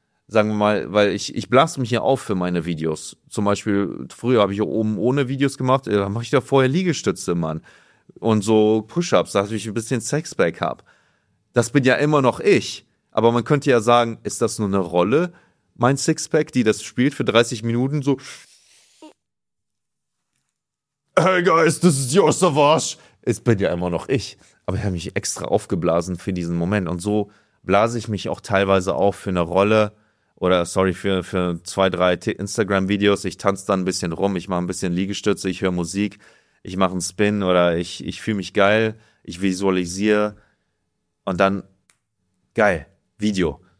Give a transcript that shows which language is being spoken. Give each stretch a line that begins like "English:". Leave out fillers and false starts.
German: Sagen wir mal, weil ich blase mich hier auf für meine Videos. Zum Beispiel, früher habe ich hier oben ohne Videos gemacht, da mache ich da vorher Liegestütze, Mann. Und so Push-Ups, dass ich ein bisschen Sexback habe. Das bin ja immer noch ich. Aber man könnte ja sagen, ist das nur eine Rolle, mein Sixpack, die das spielt für 30 Minuten so.
English: Hey guys, this is your Savage.
German: Es bin ja immer noch ich. Aber ich habe mich extra aufgeblasen für diesen Moment. Und so blase ich mich auch teilweise auf für eine Rolle oder sorry, für 2, 3 Instagram-Videos. Ich tanze dann ein bisschen rum, ich mache ein bisschen Liegestütze, ich höre Musik, ich mache einen Spin oder ich fühle mich geil, ich visualisiere und dann geil, Video.